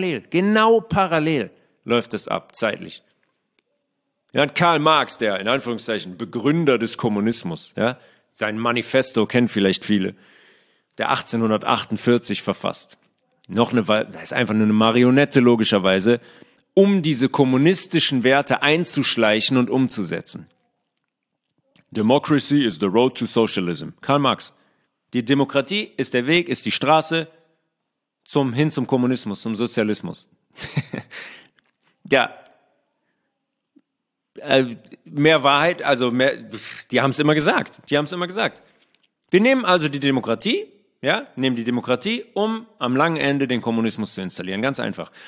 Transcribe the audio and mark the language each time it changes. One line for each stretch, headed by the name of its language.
German: Genau parallel läuft es ab, zeitlich. Ja, Karl Marx, der in Anführungszeichen Begründer des Kommunismus, ja, sein Manifesto kennt vielleicht viele, der 1848 verfasst. Das ist einfach nur eine Marionette, logischerweise, um diese kommunistischen Werte einzuschleichen und umzusetzen.
English: Democracy is the road to socialism. Karl Marx.
German: Die Demokratie ist der Weg, ist die Straße hin zum Kommunismus, zum Sozialismus. Ja. Mehr Wahrheit, also mehr, die haben es immer gesagt. Die haben es immer gesagt. Wir nehmen also die Demokratie. Ja, nehmen die Demokratie, um am langen Ende den Kommunismus zu installieren. Ganz einfach.